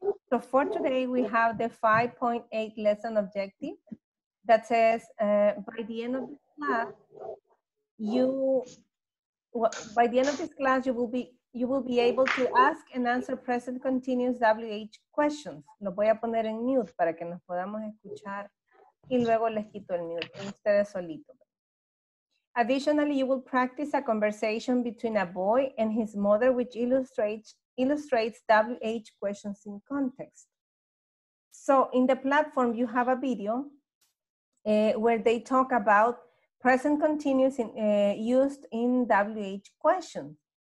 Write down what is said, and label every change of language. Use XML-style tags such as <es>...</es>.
<en>So for today, we have the 5.8 lesson objective that says by the end of this class, you will be able to ask and answer present continuous WH questions.</en> <es>Lo voy a poner en mute para que nos podamos escuchar y luego les quito el mute con ustedes solito.</es> <en>Additionally, you will practice a conversation between a boy and his mother, which illustrates WH questions in context. So in the platform, you have a video where they talk about present continuous used in WH questions.</en>